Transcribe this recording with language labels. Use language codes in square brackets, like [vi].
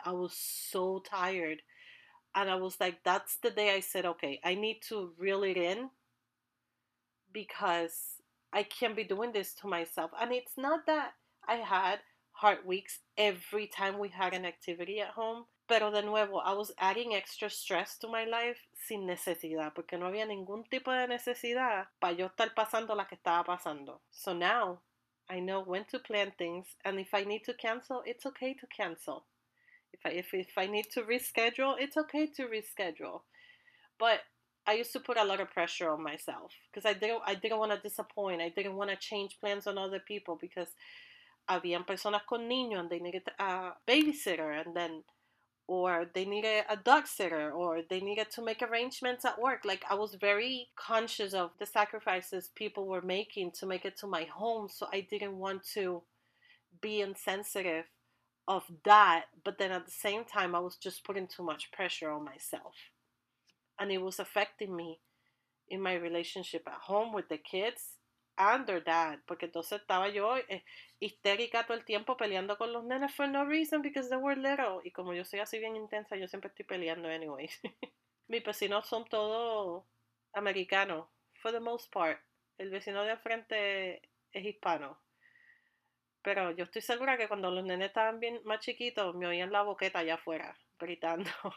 [en] I was so tired. And I was like, that's the day I said, okay, I need to reel it in because I can't be doing this to myself. And it's not that I had hard weeks every time we had an activity at home. [es] Pero de nuevo, [en] I was adding extra stress to my life [es] sin necesidad, porque no había ningún tipo de necesidad para yo estar pasando la que estaba pasando. [en] So now I know when to plan things, and if I need to cancel, it's okay to cancel. If I need to reschedule, it's okay to reschedule. But I used to put a lot of pressure on myself because I didn't want to disappoint. I didn't want to change plans on other people because [es] habían personas con niños [en] and they needed a babysitter, and then or they needed a dog sitter, or they needed to make arrangements at work. Like, I was very conscious of the sacrifices people were making to make it to my home, so I didn't want to be insensitive of that. But then at the same time, I was just putting too much pressure on myself. And it was affecting me in my relationship at home with the kids and their dad, [es] porque entonces estaba yo histérica todo el tiempo peleando con los nenes [en] for no reason because they were little. [es] Y como yo soy así bien intensa, yo siempre estoy peleando anyways. Mis vecinos son todos americanos, [en] for the most part. [es] El vecino de al frente es hispano. Pero yo estoy segura que cuando los nenes estaban bien más chiquitos, me oían la boqueta allá afuera, gritando.